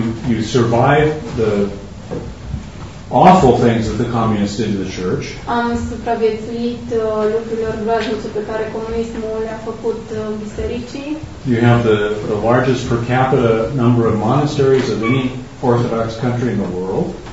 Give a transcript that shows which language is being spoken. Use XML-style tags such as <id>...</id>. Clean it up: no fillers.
<en>You survived the awful things that the communists did to the church.</en> <ro>Am supraviețuit lucrurilor groaznice pe care comunismul le-a făcut bisericii.</ro> <en>You have the largest per capita number of monasteries of any Orthodox country in the world.</en>